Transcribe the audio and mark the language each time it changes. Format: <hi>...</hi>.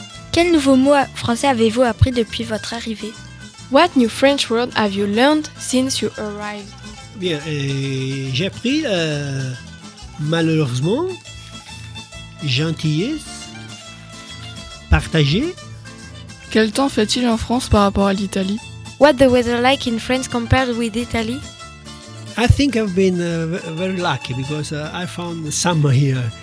<fr>Quel nouveau mot français avez-vous appris depuis votre arrivée?</fr> <en>What new French word have you learned since you arrived?</en> <fr>Bien, j'ai appris malheureusement gentillesse, partager. Quel temps fait-il en France par rapport à l'Italie?</fr> <en>What the weather like in France compared with Italy? I think I've been very lucky because I found the summer here.</en>